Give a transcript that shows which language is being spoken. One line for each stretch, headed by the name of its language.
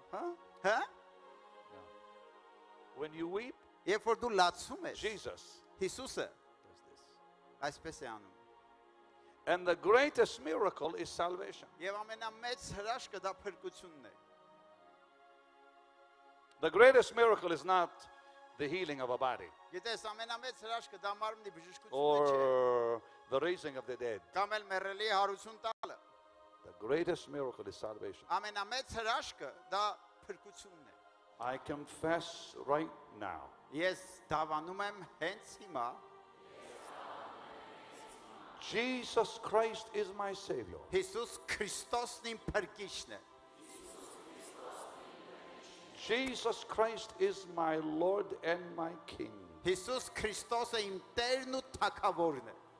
English: հա? Հա? When you weep,
Armenian: երբ որ դու լացում ես,
English: Jesus,
Armenian: Հիսուսը, այսպես է անում.
English: And the greatest miracle is salvation.
Armenian: Եվ ամենամեծ հրաշքը դա փրկությունն է.
English: The greatest miracle is not the healing of a body.
Armenian: Գիտես ամենամեծ հրաշքը դա մարմնի բժշկությունն է, չէ՞։
English: Or the raising of the dead.
Armenian: Կամ էլ մեռելի հարություն տալը.
English: The greatest miracle is salvation.
Armenian: Ամենամեծ հրաշքը դա փրկությունն է.
English: I confess right now.
Armenian: Ես դավանում եմ հենց հիմա.
English: Jesus Christ is my savior.
Armenian: Հիսուս Քրիստոսն իմ փրկիչն է.
English: Jesus Christ is my Lord and my King.
Armenian: Հիսուս Քրիստոսը իմ Տերն ու Թագավորն է.